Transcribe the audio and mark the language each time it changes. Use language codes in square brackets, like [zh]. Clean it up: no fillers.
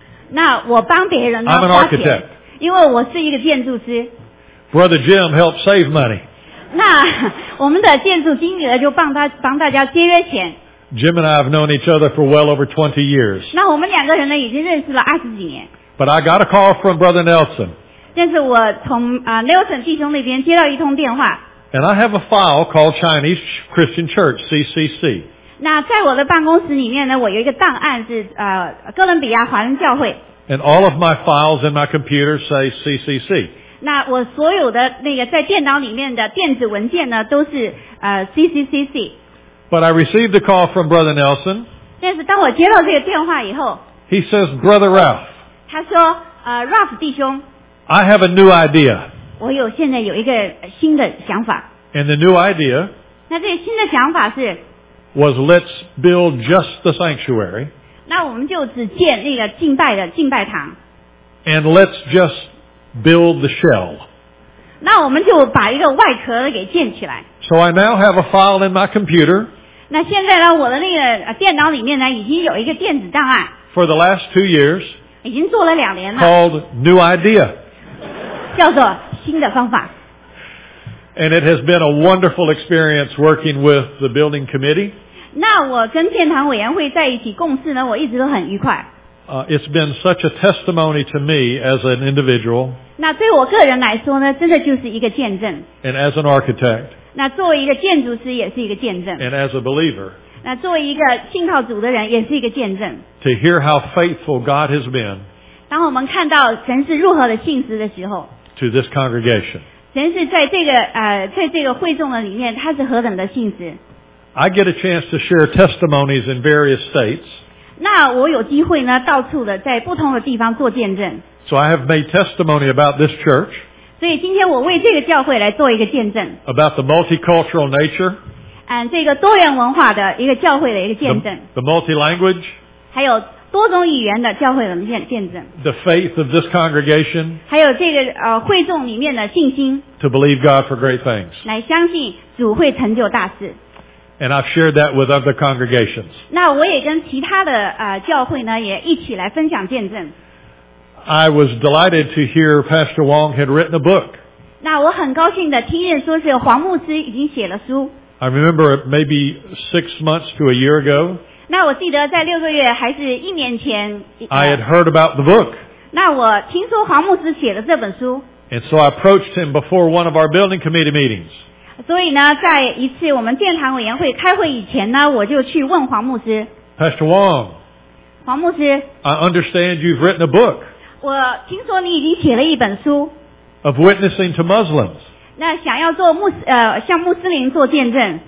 [zh] 那我帮别人花钱。 [en] I'm an architect. [zh] 因为我是一个建筑师。 [en] Brother Jim helped save money. [zh] 那我们的建筑经理就帮大家节约钱。 [en] Jim and I have known each other for well over 20 years. [zh] 那我们两个人呢已经认识了20几年。 [en] But I got a call from Brother Nelson. [zh] 但是我从Nelson 弟兄那边接到一通电话。 [en] And I have a file called Chinese Christian Church, CCC. [zh] 那在我的办公室里面呢，我有一个档案是哥伦比亚华人教会。 [en] And all of my files in my computer say CCC. [zh] 那我所有的那个在电脑里面的电子文件呢，都是CCCC. [en] But I received a call from Brother Nelson. [zh] 但是当我接到这个电话以后 [en] ，He says, Brother Ralph. [zh] 他说Ralph 弟兄 [en] ，I have a new idea. [zh] 我有现在有一个新的想法。 [en] And the new idea. [zh] 那这个新的想法是。 [en] Was let's build just the sanctuary. [zh] 那我们就只建那个敬拜的敬拜堂。 [en] And let's just build the shell. [zh] 那我们就把一个外壳给建起来。 [en] So I now have a file in my computer. [zh] 那现在呢，我的那个电脑里面呢，已经有一个电子档案。 [en] For the last 2 years. [zh] 已经做了2年了。 [en] Called new idea. [zh] 叫做。新的方法。 [en] And it has been a wonderful experience working with the building committee. [zh] 那我跟建堂委员会在一起共事呢，我一直都很愉快。 [en] It's been such a testimony to me as an individual. [zh] 那对我个人来说呢，真的就是一个见证。 [en] And as an architect. [zh] 那作为一个建筑师也是一个见证。 [en] And as a believer. [zh] 那作为一个信靠主的人也是一个见证。 [en] To hear how faithful God has been. [zh] 当我们看到神是如何的信实的时候。 [en] To this congregation. [zh] 神是在这个在这个会众的里面，他是何等的信实。 [en] I get a chance to share testimonies in various states. [zh] 那我有机会呢，到处的在不同的地方做见证。 [en] So I have made testimony about this church. [zh] 所以今天我为这个教会来做一个见证。 [en] About the multicultural nature. [zh] 这个多元文化的一个教会的一个见证。 [en] The multi-language. [zh] 还有。多种语言的教会的见证 [en] the faith of this congregation [zh] 还有这个会众里面的信心 [en] to believe God for great things [zh] 来相信主会成就大事 [en] and I've shared that with other congregations [zh] 那我也跟其他的教会呢也一起来分享见证 [en] I was delighted to hear Pastor Wong had written a book. [zh] 那我很高兴的听见说是黄牧师已经写了书。 [en] I remember maybe 6 months to a year ago. [zh] 那我记得在六个月还是一年前。 [en] I had heard about the book. [zh] 那我听说黄牧师写了这本书。 [en] And so I approached him before one of our building committee meetings. [zh] 所以呢，在一次我们建堂委员会开会以前呢，我就去问黄牧师。 [en] Pastor Wong. [zh] 黄牧师。 [en] I understand you've written a book. [zh] 我听说你已经写了一本书。 [en] Of witnessing to Muslims. [zh] 那想要做穆斯向穆斯林做见证。